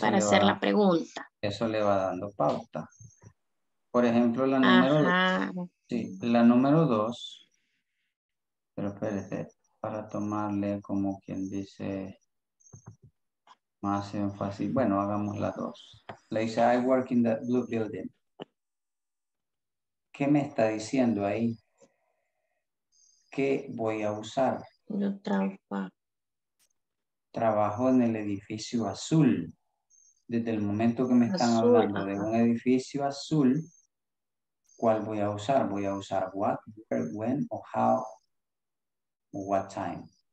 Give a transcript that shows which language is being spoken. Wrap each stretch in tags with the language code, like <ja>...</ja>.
<es>para hacer la pregunta. Eso le va dando pauta. Por ejemplo, la número dos. Sí, la número dos. Pero espérese, para tomarle como quien dice más énfasis. Bueno, hagamos la dos. Le dice,</es> <en>I work in the blue building.</en> <es>¿Qué me está diciendo ahí? ¿Qué voy a usar? Yo trabajo. Trabajo en el edificio azul. Desde el momento que me están azul, hablando de un edificio azul, ¿cuál voy a usar? Voy a usar what, where, when, o how, o what time.</es>